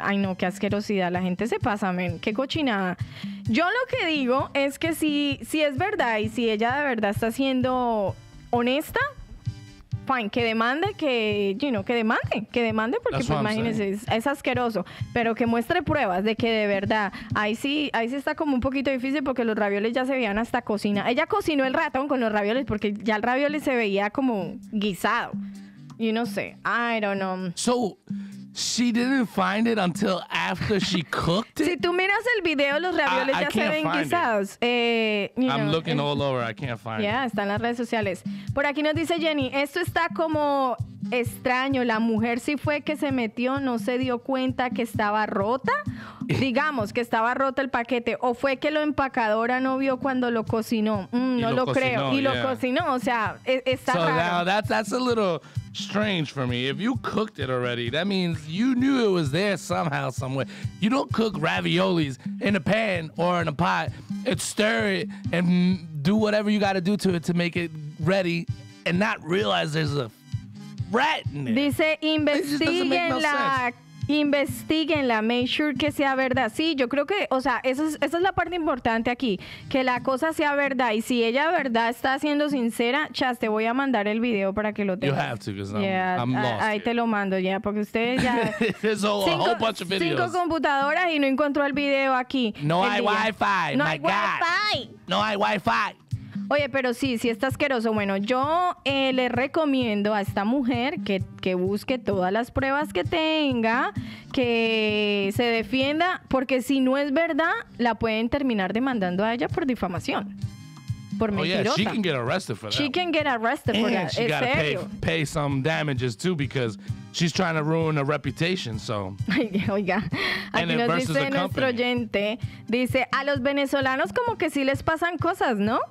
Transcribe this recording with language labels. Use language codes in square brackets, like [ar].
[es] Ay, no, qué asquerosidad. La gente se pasa, men. Qué cochinada. Yo lo que digo es que si es verdad y si ella de verdad está siendo honesta, [en] fine, [es] que demande, que, [en] you know, [es] que demande porque pues, imagínense, es asqueroso. Pero que muestre pruebas de que de verdad, ahí sí está como un poquito difícil porque los ravioles ya se veían hasta cocina. Ella cocinó el ratón con los ravioles porque ya el ravioles se veía como guisado. [en] You know, say, I don't know. So, she didn't find it until after she cooked it? [es] Si tú miras el video, los ravioles ya se ven guisados. [en] Looking all over, I can't find it. Yeah, [es] está en las redes sociales. Por aquí nos dice Jenny, esto está como extraño. La mujer sí fue que se metió, no se dio cuenta que estaba rota. Digamos que estaba roto el paquete. O fue que lo empacadora no vio cuando lo cocinó. Lo cocinó. O sea, está [en] so [es] raro. [en] So now that's a little strange for me. If you cooked it already, that means you knew it was there somehow, somewhere. You don't cook raviolis in a pan or in a pot and stir it and do whatever you got to do to it to make it ready and not realize there's a rat in it. [es] Dice, investiguenla. Investíguenla, [en] make sure [es] que sea verdad. Sí, yo creo que, o sea, esa es la parte importante aquí, que la cosa sea verdad. Y si ella verdad está siendo sincera, chas, te voy a mandar el video para que lo tengas. [en] You have to, because I'm lost. [es] Ahí te lo mando ya, porque ustedes ya. [en] There's a whole bunch of videos. [es] Cinco computadoras y no encontró el video aquí. No hay Wi-Fi. No hay Wi-Fi. No hay Wi-Fi. Oye, pero sí está asqueroso. Bueno, yo le recomiendo a esta mujer que busque todas las pruebas que tenga, que se defienda, porque si no es verdad, la pueden terminar demandando a ella por difamación, por mentirosa. [en] Oh, yeah, she can get arrested for that. She can get arrested for that. And she gotta pay some damages, too, because she's trying to ruin her reputation, so. [es] Oiga, aquí nos dice nuestro oyente, dice, a los venezolanos como que sí les pasan cosas, ¿no?